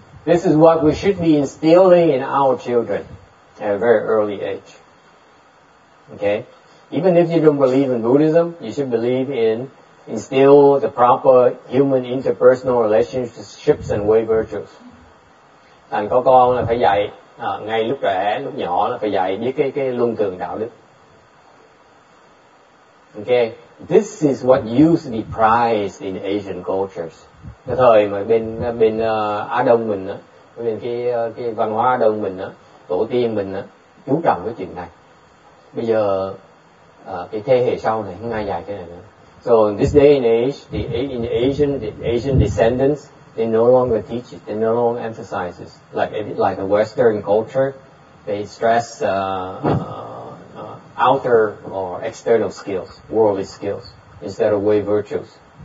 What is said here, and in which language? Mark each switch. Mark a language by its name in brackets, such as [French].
[English] This is what we should be instilling in our children at a very early age. Okay, even if you don't believe in Buddhism, you should believe in instill the proper human interpersonal relationships and way virtues. [Vietnamese] Thành có con là phải dạy. Ngay lúc trẻ, lúc nhỏ là phải dạy biết cái luân thường đạo đức. [English] Okay, this is what used to be prized in Asian cultures. [Vietnamese] Cái thời mà bên Á Đông mình á, bên cái văn hóa Á Đông mình á, tổ tiên mình á, chú trọng cái chuyện này. Bây giờ cái thế hệ sau này không ai dạy cái này nữa. [English] So in this day and age, the Asian descendants, they no longer teach it, they no longer emphasize it. Like the Western culture, they stress outer or external skills, worldly skills, instead of way virtues.